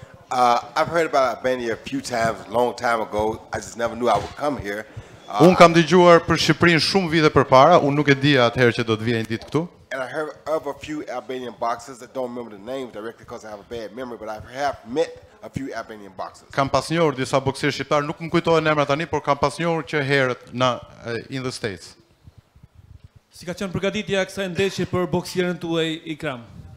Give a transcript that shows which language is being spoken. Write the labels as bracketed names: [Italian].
[English] I've heard about Albania a few times, long time ago. I just never knew I would come here. [Albanian] Un kam dëgjuar për Shqipërinë shumë vite përpara, un nuk e dija atëherë që do të vijë një ditë këtu. [English] And I heard of a few Albanian boxers. I don't remember the name directly because I have a bad memory, but I have met a few Albanian boxers. [Albanian] Kam pasnjohur disa boksierë shqiptar, nuk më kujtohen emra tani, por kam pasnjohur që herët në [English] in the States. [Albanian] Si ka qenë përgatitja kësaj ndeshje për boksierën tuaj Ikram?